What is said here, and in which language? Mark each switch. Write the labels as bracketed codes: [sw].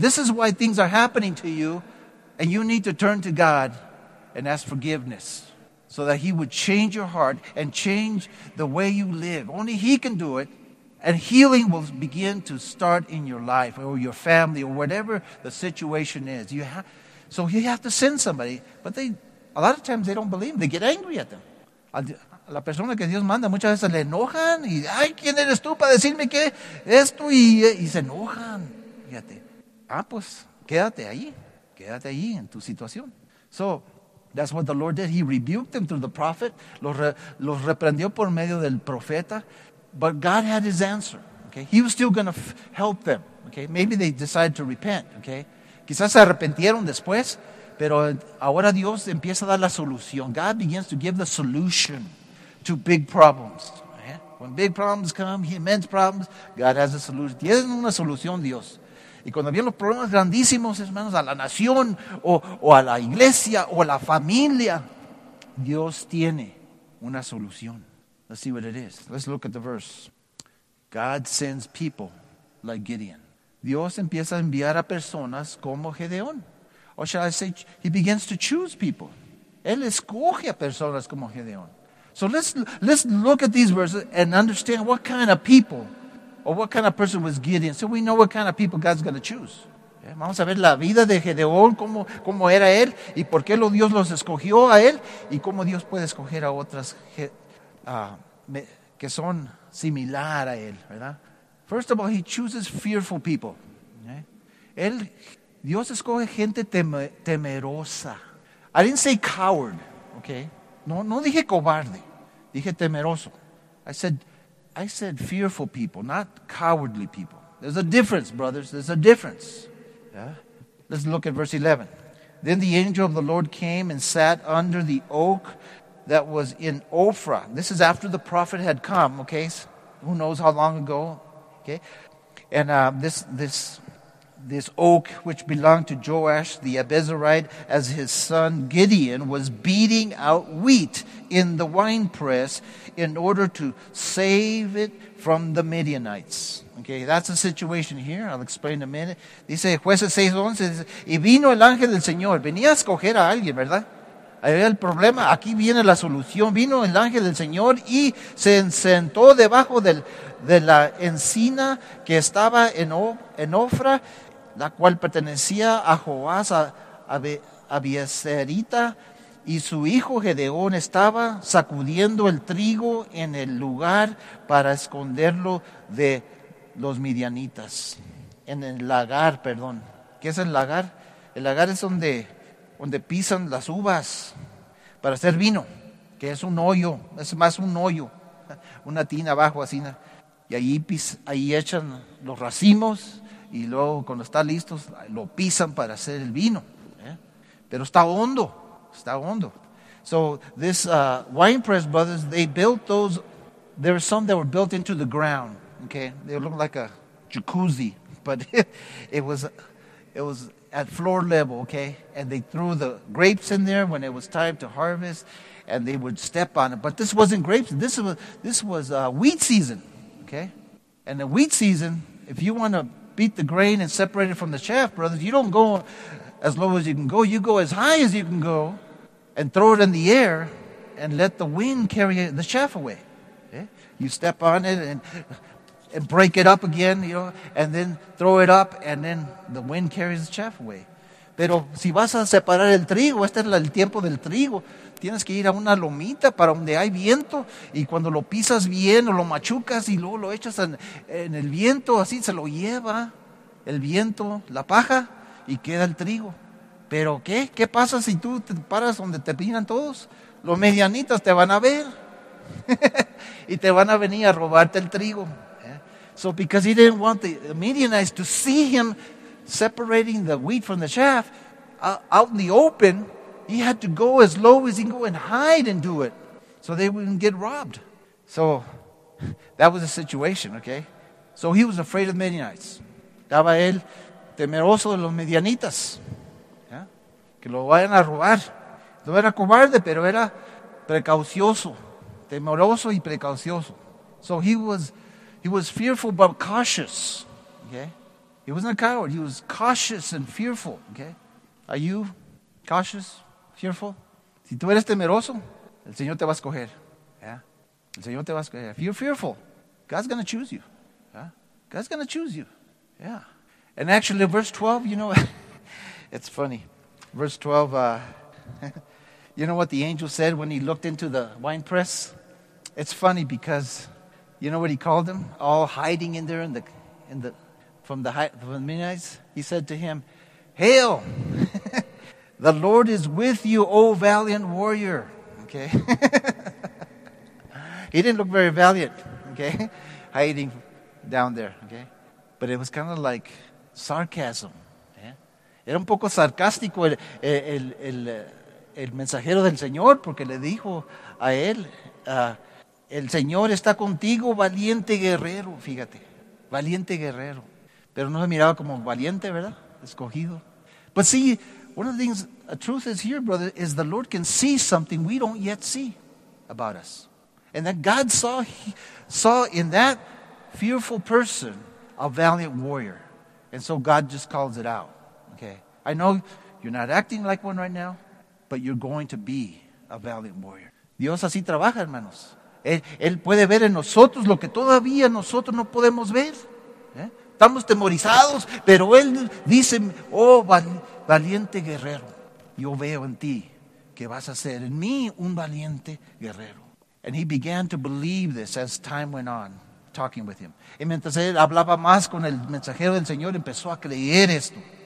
[en] This is why things are happening to you, and you need to turn to God and ask forgiveness so that He would change your heart and change the way you live. Only He can do it. And healing will begin to start in your life or your family or whatever the situation is. So you have to send somebody. But a lot of times they don't believe. They get angry at them. [es] A la persona que Dios manda muchas veces le enojan. Y, ay, ¿quién eres tú para decirme qué? Esto y se enojan. Fíjate. Ah, pues, quédate ahí. Quédate ahí en tu situación. [en] So that's what the Lord did. He rebuked them through the prophet. [es] Los reprendió por medio del profeta. [en] But God had His answer. Okay, He was still going to help them. Okay, maybe they decided to repent. [es] Okay, quizás se arrepintieron después, pero ahora Dios empieza a dar la solución. [en] God begins to give the solution to big problems. Okay? When big problems come, immense problems, God has a solution. [es] Tienen una solución, Dios. Y cuando vienen los problemas grandísimos, hermanos, a la nación o a la iglesia o a la familia, Dios tiene una solución. [en] Let's see what it is. Let's look at the verse. God sends people like Gideon. [es] Dios empieza a enviar a personas como Gedeón. [en] Or shall I say, He begins to choose people. [es] Él escoge a personas como Gedeón. [en] So let's look at these verses and understand what kind of people or what kind of person was Gideon. So we know what kind of people God's going to choose. [es] Vamos a ver la vida de Gedeón, cómo era él y por qué Dios los escogió a él y cómo Dios puede escoger a otras que son similar a él, ¿verdad? [en] First of all, He chooses fearful people. Okay? [es] Dios escoge gente temerosa. [en] I didn't say coward, okay? [es] No dije cobarde, dije temeroso. [en] I said fearful people, not cowardly people. There's a difference, brothers, there's a difference. Yeah? Let's look at verse 11. Then the angel of the Lord came and sat under the oak that was in Ophrah. This is after the prophet had come, okay? Who knows how long ago, okay? And this oak, which belonged to Joash the Abiezrite, as his son Gideon was beating out wheat in the winepress in order to save it from the Midianites. Okay, that's the situation here. I'll explain in a minute. [es] Dice, Jueces 6:11, y vino el ángel del Señor. Venía a escoger a alguien, ¿verdad? Ahí el problema, aquí viene la solución. Vino el ángel del Señor y se sentó debajo de la encina que estaba en Ofra, la cual pertenecía a Joás, a Abiezerita, y su hijo Gedeón estaba sacudiendo el trigo en el lugar para esconderlo de los midianitas, en el lagar, perdón. ¿Qué es el lagar? El lagar es donde pisan las uvas para hacer vino, que es un hoyo, es más un hoyo, una tina abajo así. Y ahí, ahí echan los racimos y luego cuando está listo lo pisan para hacer el vino. Pero está hondo, está hondo. [en] So this wine press, brothers, they built those. There were some that were built into the ground. Okay, they looked like a jacuzzi, but it was at floor level. Okay, and they threw the grapes in there when it was time to harvest, and they would step on it. But this wasn't grapes. This was wheat season. Okay, and the wheat season, if you want to beat the grain and separate it from the chaff, brothers, you don't go as low as you can go. You go as high as you can go. And throw it in the air and let the wind carry the chaff away. Okay? You step on it and break it up again, you know, and then throw it up and then the wind carries the chaff away. [es] Pero si vas a separar el trigo, este es el tiempo del trigo, tienes que ir a una lomita para donde hay viento y cuando lo pisas bien o lo machucas y luego lo echas en el viento, así se lo lleva el viento, la paja y queda el trigo. Pero ¿qué? ¿Qué pasa si tú te paras donde te piden todos? Los medianitos te van a ver y te van a venir a robarte el trigo. [en] So because he didn't want the Midianites to see him separating the wheat from the chaff out in the open, he had to go as low as he can go and hide and do it so they wouldn't get robbed. So that was the situation, okay? So he was afraid of Midianites. [es] Estaba él temeroso de los medianitas. Que lo vayan a robar. No era cobarde, pero era precaucioso, temeroso y precaucioso. [en] So he was fearful but cautious. Okay? He wasn't a coward. He was cautious and fearful. Okay? Are you cautious, fearful? [es] Si tú eres temeroso, el Señor te va a escoger. [en] Yeah? [es] El Señor te va a escoger. [en] If you're fearful, God's going to choose you. Yeah? God's going to choose you. Yeah. And actually, verse 12, you know, it's funny. Verse 12, you know what the angel said when he looked into the wine press? It's funny because, you know what he called them? All hiding in there from the Midianites. He said to him, "Hail, the Lord is with you, O valiant warrior." Okay. He didn't look very valiant, okay, hiding down there, okay. But it was kind of like sarcasm. [es] Era un poco sarcástico el mensajero del Señor porque le dijo a él, el Señor está contigo, valiente guerrero, fíjate, valiente guerrero. Pero no se miraba como valiente, ¿verdad? Escogido. [en] But see, one of the things, a truth is here, brother, is the Lord can see something we don't yet see about us. And that God saw in that fearful person a valiant warrior. And so God just calls it out. I know you're not acting like one right now, but you're going to be a valiant warrior. [es] Dios así trabaja, hermanos. Él puede ver en nosotros lo que todavía nosotros no podemos ver. Estamos temorizados, pero Él dice, oh, valiente guerrero, yo veo en ti que vas a ser en mí un valiente guerrero. [en] And he began to believe this as time went on, talking with him. [es] Y mientras él hablaba más con el mensajero del Señor, empezó a creer esto.